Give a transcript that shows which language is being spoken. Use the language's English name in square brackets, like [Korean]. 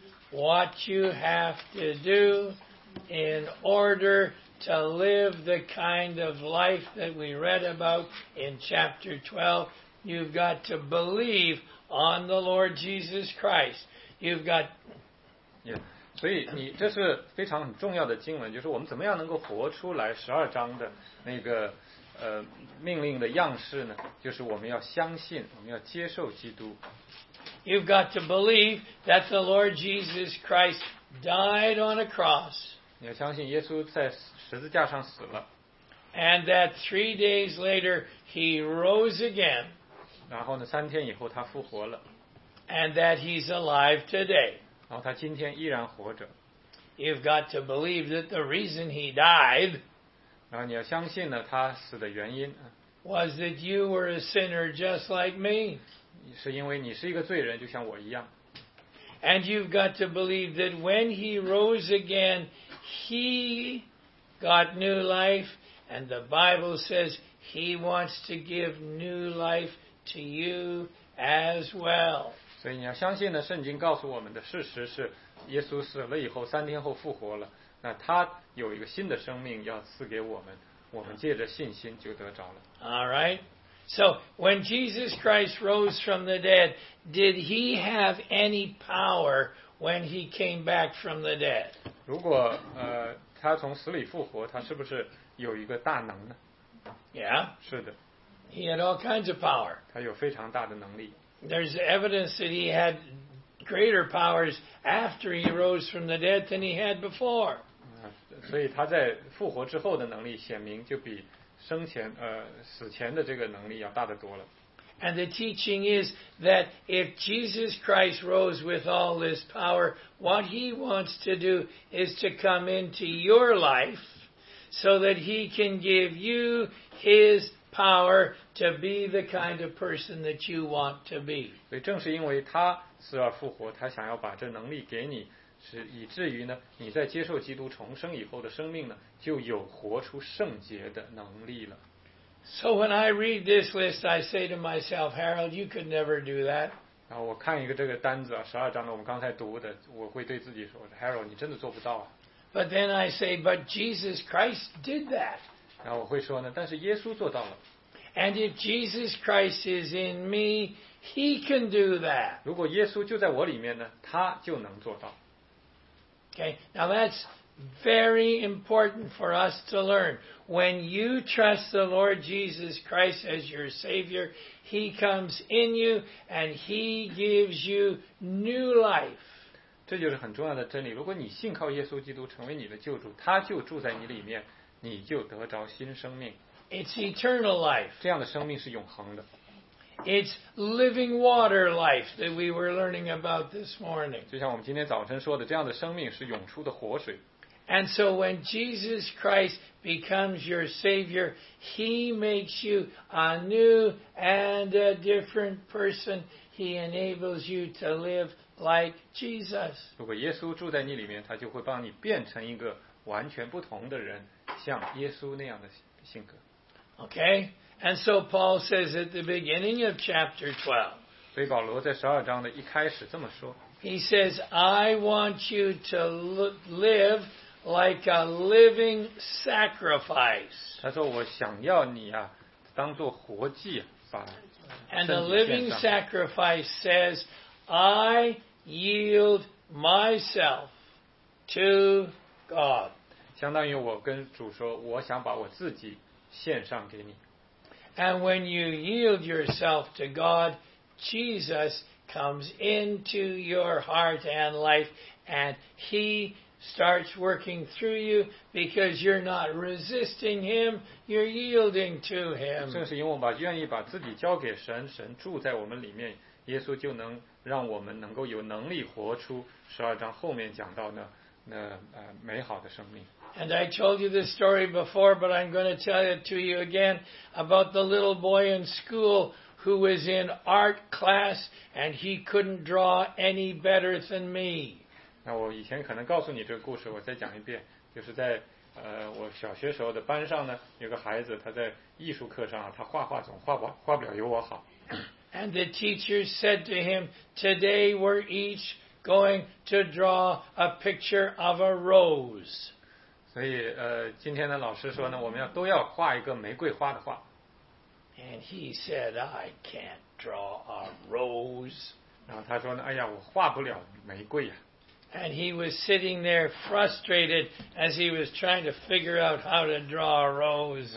[English] What you have to do in order to live the kind of life that we read about in chapter 12, you've got to believe on the Lord Jesus Christ. You've got... Yeah. [Chinese] 所以你这是非常重要的经文，就是我们怎么样能够活出来十二章的那个命令的样式呢？就是我们要相信，我们要接受基督。 [English] You've got to believe that the Lord Jesus Christ died on a cross. [Chinese] 你要相信耶稣在十字架上死了。 [English] And that 3 days later he rose again. [Chinese] 然后呢，三天以后他复活了。 [English] And that he's alive today. [Chinese] 然后他今天依然活着。 [English] You've got to believe that the reason he died. [Chinese] 然后你要相信呢，他死的原因 [English] was that you were a sinner just like me. [Chinese] 是因为你是一个罪人，就像我一样。 [English] And you've got to believe that when he rose again, he got new life, and the Bible says he wants to give new life to you as well. [Chinese] 所以你要相信呢，圣经告诉我们的事实是，耶稣死了以后，三天后复活了。那他有一个新的生命要赐给我们，我们借着信心就得着了。 [English] All right. So when Jesus Christ rose from the dead, did he have any power when he came back from the dead? [Chinese] 如果他从死里复活，他是不是有一个大能呢？ [English] Yeah. [Chinese] 是的。 [English] He had all kinds of power. [Chinese] 他有非常大的能力。 [English] There's evidence that he had. Greater powers after he rose from the dead than he had before. [Chinese] 所以他在复活之后的能力显明就比生前死前的这个能力要大得多了。 [English] And the teaching is that if Jesus Christ rose with all this power, what he wants to do is to come into your life so that he can give you his power to be the kind of person that you want to be. [Chinese] 所以正是因为他死而复活，他想要把这能力给你，是以至于呢，你在接受基督重生以后的生命呢，就有活出圣洁的能力了。 [English] So when I read this list, I say to myself, Harold, you could never do that. [Chinese] 然后我看一个这个单子啊，十二章的我们刚才读的，我会对自己说 ，Harold, 你真的做不到啊。 [English] But then I say, but Jesus Christ did that. [Chinese] 然后我会说呢，但是耶稣做到了。 [English] And if Jesus Christ is in me. He can do that. [Chinese] 如果耶稣就在我里面呢，他就能做到。 [English] Okay, now that's very important for us to learn. When you trust the Lord Jesus Christ as your Savior, He comes in you and He gives you new life. [Chinese] 这就是很重要的真理。如果你信靠耶稣基督成为你的救主，他就住在你里面，你就得着新生命。 [English] It's eternal life. [Chinese] 这样的生命是永恒的。 [English] It's living water life that we were learning about this morning. [Chinese] 就像我们今天早晨说的，这样的生命是涌出的活水。 [English] And so when Jesus Christ becomes your Savior, He makes you a new and a different person. He enables you to live like Jesus. [Chinese] 如果耶稣住在你里面，他就会帮你变成一个完全不同的人，像耶稣那样的性格。 [English] Okay? And so Paul says at the beginning of chapter 12. [Chinese] 所以保罗在十二章的一开始这么说。 [English] He says, I want you to live like a living sacrifice. [Chinese] 他说我想要你啊，当作活祭把。 [English] And a living sacrifice says, I yield myself to God. [Chinese] 相当于我跟主说，我想把我自己献上给你。 [English] And when you yield yourself to God, Jesus comes into your heart and life, and He starts working through you because you're not resisting Him, you're yielding to Him. [Chinese] 正是因为我们愿意把自己交给神，神住在我们里面，耶稣就能让我们能够有能力活出十二章后面讲到那美好的生命。 [English] And I told you this story before, but I'm going to tell it to you again about the little boy in school who was in art class and he couldn't draw any better than me. [Chinese] 那我以前可能告诉你这个故事，我再讲一遍，就是在我小学时候的班上呢，有个孩子他在艺术课上啊，他画画总画不了有我好。 [English] And the teacher said to him, "Today we're each going to draw a picture of a rose." [Chinese] 所以今天的老师说呢，我们都要画一个玫瑰花的画。 [English] And he said, "I can't draw a rose." [Chinese] 然后他说呢，哎呀，我画不了玫瑰呀。 [English] And he was sitting there frustrated as he was trying to figure out how to draw a rose.